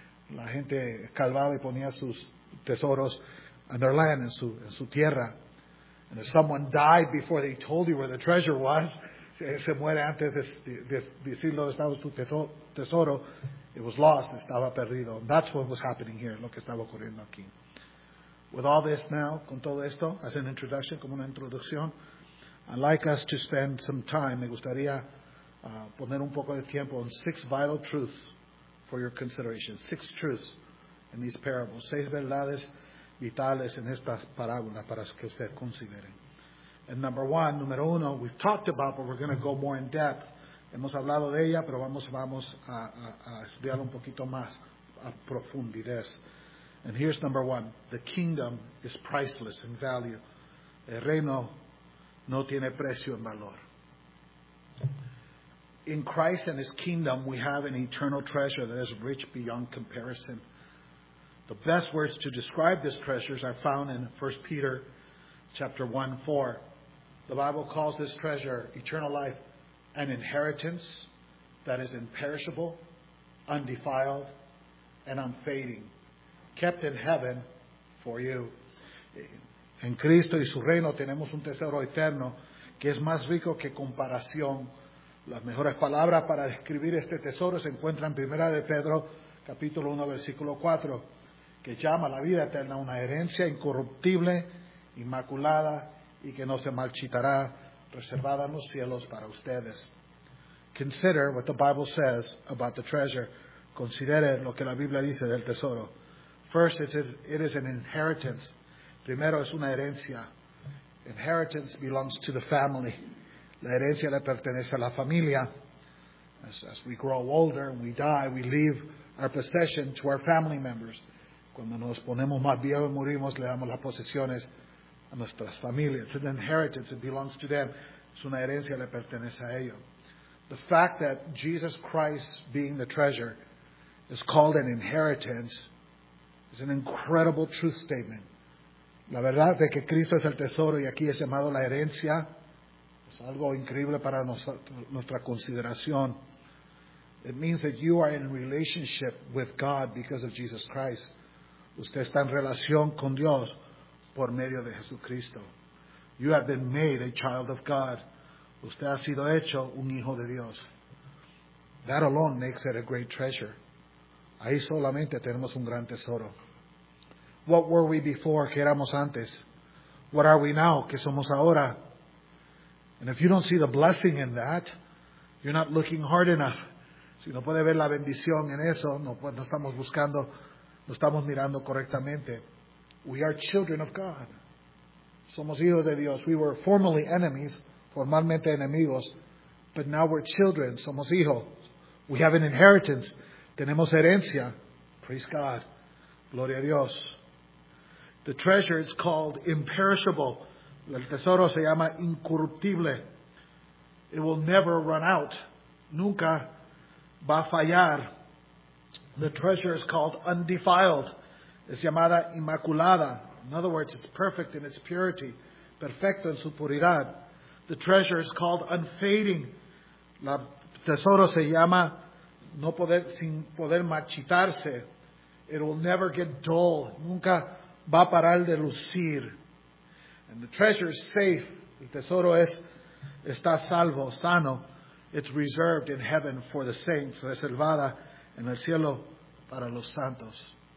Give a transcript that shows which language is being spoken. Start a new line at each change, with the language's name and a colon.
Spanish: La gente calvaba y ponía sus tesoros
English: and their land
Spanish: en su tierra.
English: And if someone died before they told you where the treasure was,
Spanish: se muere antes de decir dónde estaba su tesoro,
English: it was lost,
Spanish: estaba perdido.
English: And that's what was happening here,
Spanish: lo que estaba ocurriendo aquí.
English: With all this now,
Spanish: con todo esto,
English: as an introduction,
Spanish: como una introducción,
English: I'd like us to spend some time,
Spanish: me gustaría poner un poco de tiempo en
English: 6 vital truths for your consideration. 6 truths in these parables.
Spanish: 6 verdades vitales en estas parábolas para que ustedes consideren.
English: And number one,
Spanish: número uno,
English: we've talked about, but we're going to go more in depth.
Spanish: Hemos hablado de ella, pero vamos a estudiar un poquito más a profundidad.
English: And here's number one. The kingdom is priceless in value.
Spanish: El reino no tiene precio en valor.
English: In Christ and his kingdom, we have an eternal treasure that is rich beyond comparison. The best words to describe this treasure are found in 1 Peter chapter 1, 4. The Bible calls this treasure, eternal life, an inheritance that is imperishable, undefiled, and unfading, kept in heaven for you.
Spanish: En Cristo y su reino tenemos un tesoro eterno que es más rico que comparación. Las mejores palabras para describir este tesoro se encuentran en 1 de Pedro, capítulo 1, versículo 4, que llama la vida eterna una herencia incorruptible, inmaculada y que no se marchitará, reservada en los cielos para ustedes.
English: Consider what the Bible says about the treasure.
Spanish: Considere lo que la Biblia dice del tesoro.
English: First, it is an inheritance.
Spanish: Primero, es una herencia.
English: Inheritance belongs to the family.
Spanish: La herencia le pertenece a la familia.
English: As we grow older and we die, we leave our possession to our family members.
Spanish: Cuando nos ponemos más viejos y morimos, le damos las posesiones a nuestras familias.
English: It's an inheritance. It belongs to them.
Spanish: Es una herencia, le pertenece a ellos.
English: The fact that Jesus Christ being the treasure is called an inheritance is an incredible truth statement.
Spanish: La verdad de que Cristo es el tesoro y aquí es llamado la herencia es algo increíble para nuestra consideración.
English: It means that you are in relationship with God because of Jesus Christ.
Spanish: Usted está en relación con Dios por medio de Jesucristo.
English: You have been made a child of God.
Spanish: Usted ha sido hecho un hijo de Dios.
English: That alone makes it a great treasure.
Spanish: Ahí solamente tenemos un gran tesoro.
English: What were we before?
Spanish: ¿Qué éramos antes?
English: What are we now?
Spanish: ¿Qué somos ahora?
English: And if you don't see the blessing in that, you're not looking hard enough.
Spanish: Si no puede ver la bendición en eso, no estamos buscando, no estamos mirando correctamente.
English: We are children of God.
Spanish: Somos hijos de Dios.
English: We were formerly enemies,
Spanish: formalmente enemigos,
English: but now we're children.
Spanish: Somos hijos.
English: We have an inheritance.
Spanish: Tenemos herencia.
English: Praise God.
Spanish: Gloria a Dios.
English: The treasure is called imperishable.
Spanish: El tesoro se llama incorruptible.
English: It will never run out.
Spanish: Nunca va a fallar.
English: The treasure is called undefiled.
Spanish: Es llamada inmaculada.
English: In other words, it's perfect in its purity.
Spanish: Perfecto en su puridad.
English: The treasure is called unfading.
Spanish: El tesoro se llama no poder, sin poder marchitarse.
English: It will never get dull.
Spanish: Nunca va a parar de lucir.
English: And the treasure is safe.
Spanish: El tesoro está salvo, sano.
English: It's reserved in heaven for the saints.
Spanish: Reservada en el cielo para los santos.